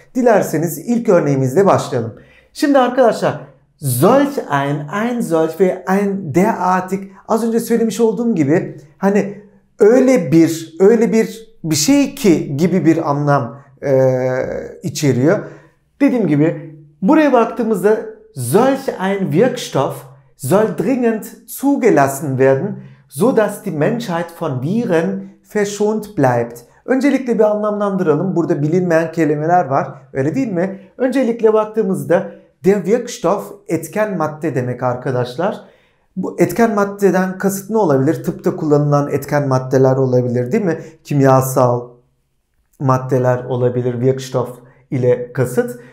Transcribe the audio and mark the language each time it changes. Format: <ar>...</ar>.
<tr>Dilerseniz ilk örneğimizle başlayalım. Şimdi arkadaşlar, solch ein solch ve ein derartig, az önce söylemiş olduğum gibi hani öyle bir şey ki gibi bir anlam içeriyor. Dediğim gibi buraya baktığımızda</tr> <de>solch ein Wirkstoff soll dringend zugelassen werden, so dass die Menschheit von Viren verschont bleibt.</de> <tr>Öncelikle bir anlamlandıralım. Burada bilinmeyen kelimeler var. Öyle değil mi? Öncelikle baktığımızda der Wirkstoff etken madde demek arkadaşlar. Bu etken maddeden kasıt ne olabilir? Tıpta kullanılan etken maddeler olabilir, değil mi? Kimyasal maddeler olabilir Wirkstoff ile kasıt.</tr>